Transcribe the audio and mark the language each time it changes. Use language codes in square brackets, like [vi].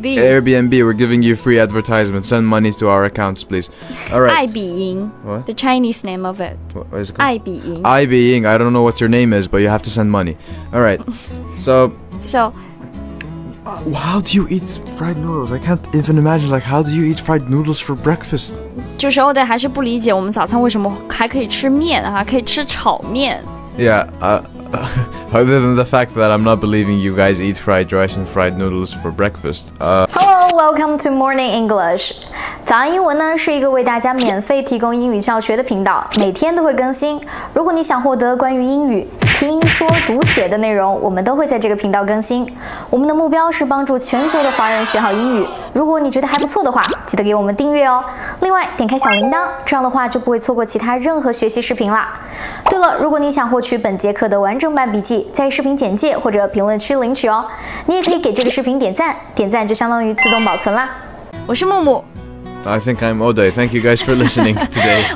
[en] Airbnb, we're giving you free advertisement. Send money to our accounts, please. All right. [zh] 爱彼迎 [en] What? The Chinese name of it. What is it called? [zh] 爱彼迎 [en] 爱彼迎 I don't know what your name is, but you have to send money. All right. So, how do you eat fried noodles? I can't even imagine, like, how do you eat fried noodles for breakfast? [zh] 就是我还是不理解我们早餐为什么还可以吃面啊，可以吃炒面。 [en] Yeah, other than the fact that I'm not believing you guys eat fried rice and fried noodles for breakfast. Hello, welcome to Morning English. [zh] 早安英文呢是一个为大家免费提供英语教学的频道，每天都会更新。如果你想获得关于英语听说读写的内容，我们都会在这个频道更新。我们的目标是帮助全球的华人学好英语。如果你觉得还不错的话，记得给我们订阅哦。另外，点开小铃铛，这样的话就不会错过其他任何学习视频啦。对了，如果你想获取本节课的完整版笔记，在视频简介或者评论区领取哦。你也可以给这个视频点赞，点赞就相当于自动保存啦。我是木木。 [en] I think I'm Oday. Thank you guys for listening today.